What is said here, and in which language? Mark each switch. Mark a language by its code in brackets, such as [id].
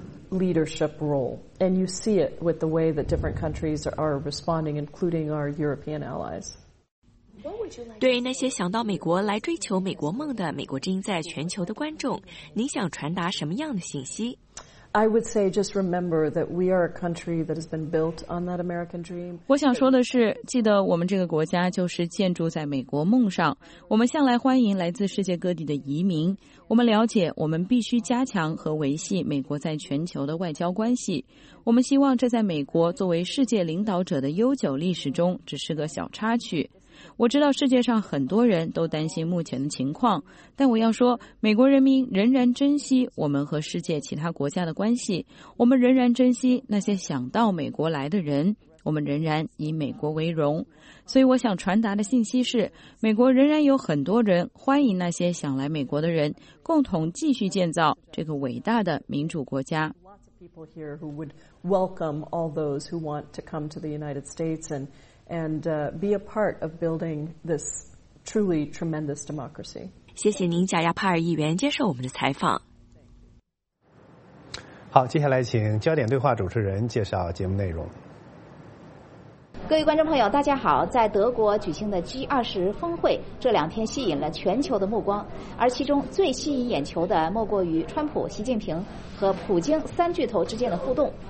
[en] Leadership role, and you see it with the way that different countries are responding, including our European allies. [zh] 对那些想到美国来追求美国梦的美国之音在全球的观众，您想传达什么样的信息？ [en] I would say just remember that we are a country that has been built on that American dream. [zh] 我想说的是，记得我们这个国家就是建筑在美国梦上。我们向来欢迎来自世界各地的移民。我们了解，我们必须加强和维系美国在全球的外交关系。我们希望这在美国作为世界领导者的悠久历史中只是个小插曲。我知道世界上很多人都担心目前的情况，但我要说，美国人民仍然珍惜我们和世界其他国家的关系，我们仍然珍惜那些想到美国来的人，我们仍然以美国为荣。所以我想传达的信息是，美国仍然有很多人欢迎那些想来美国的人，共同继续建造这个伟大的民主国家。 [en] People here who would welcome all those who want to come to the United States and be a part of building this truly tremendous democracy. [zh] 谢谢您，贾亚帕尔议员接受我们的采访。好，接下来请焦点对话主持人介绍节目内容。各位观众朋友大家好，在德国举行的 G20 峰会这两天吸引了全球的目光，而其中最吸引眼球的莫过于川普、习近平和普京三巨头之间的互动。